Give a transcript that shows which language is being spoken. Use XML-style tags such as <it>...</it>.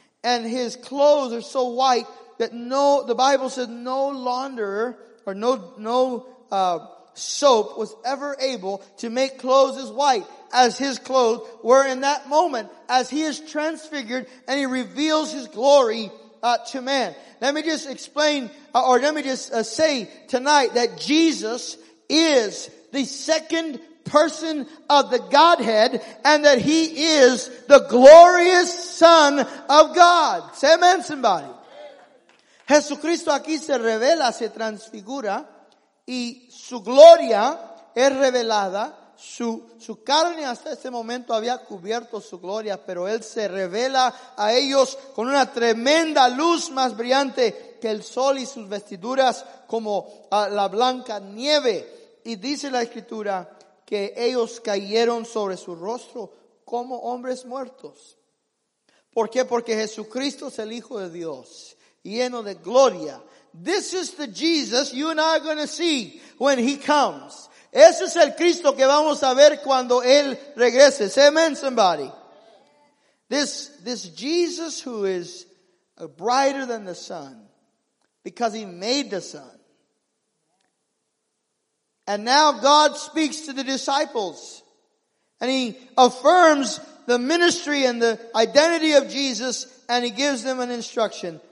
<en>And his clothes are so white that the Bible says no launderer or no soap was ever able to make clothes as white as his clothes were in that moment as he is transfigured and he reveals his glory to man. Let me just explain say tonight that Jesus is the second person of the Godhead and that he is the glorious Son of God. Say amen, somebody.</en> <es>Jesucristo aquí se revela, se transfigura y su gloria es revelada. Su carne hasta ese momento había cubierto su gloria, pero él se revela a ellos con una tremenda luz más brillante que el sol y sus vestiduras como la blanca nieve. Y dice la escritura que ellos cayeron sobre su rostro como hombres muertos. ¿Por qué? Porque Jesucristo es el Hijo de Dios, lleno de gloria.</es> <en>This is the Jesus you and I are going to see when he comes.</en> <es>Ese es el Cristo que vamos a ver cuando él regrese.</es> <en>Say amen, somebody. This Jesus who is brighter than the sun because he made the sun. And now God speaks to the disciples and he affirms the ministry and the identity of Jesus and he gives them an instruction.</en>